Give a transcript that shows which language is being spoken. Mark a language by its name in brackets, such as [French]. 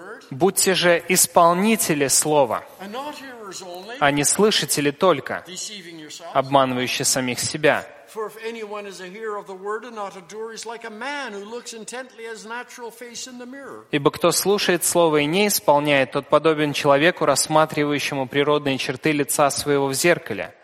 [Russian] Будьте же исполнители слова, а не слышатели только, обманывающие самих себя. [English] For if anyone is a hearer of the word and not a doer, he's like a man who looks intently at his natural face in the mirror. [Russian] Ибо кто слушает слово и не исполняет, тот подобен человеку, рассматривающему природные черты лица своего в зеркале.